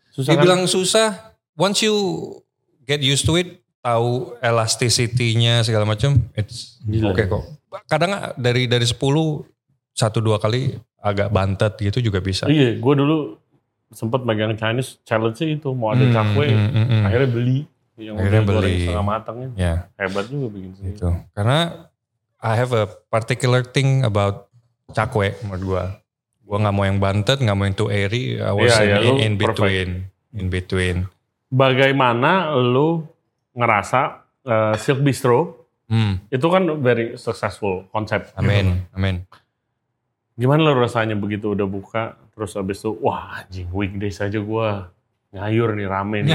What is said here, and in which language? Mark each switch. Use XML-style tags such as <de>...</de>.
<id>Susah. Dibilang susah,</id> <en>once you get used to it,</en> <id>tahu elasticity-nya segala macam,</id> <en>it's okay</en> <id>kok. Kadang dari 10, 1-2 kali agak bantet gitu juga bisa. Iya, gue dulu sempat megang Chinese challenge itu, mau ada cakwe, akhirnya beli. Yang goreng setengah matangnya. Hebat juga bikin sendiri. Gitu.</id> <en>Karena I have a particular thing about cakwe</en> <id>menurut gue. Gue gak mau yang bantet, gak mau yang too airy.</id> <en>I was in between.</en> <id>Bagaimana lu ngerasa Silk Bistro itu kan very successful konsep. Amin. Gimana lu rasanya begitu udah buka, terus abis itu, wah anjing weekdays aja gue ngayur nih, rame nih.</id>